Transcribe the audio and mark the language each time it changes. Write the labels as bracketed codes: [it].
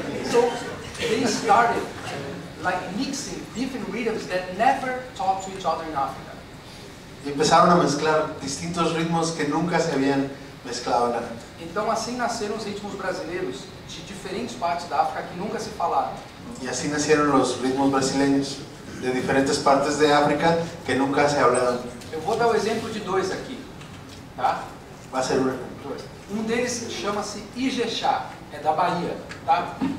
[en] So they started like mixing different rhythms that never talked to each other in Africa. [es] Y empezaron a mezclar distintos ritmos que nunca se habían mezclado en Africa. [pt] Então assim nasceram os ritmos brasileiros de diferentes partes da África que nunca se falaram. [es] Y así nacieron los ritmos brasileños de diferentes partes de África que nunca se hablaron. [pt] Eu vou dar o exemplo de dois aqui, tá? Vai ser um. Um deles chama-se Ijexá, é da Bahia, tá?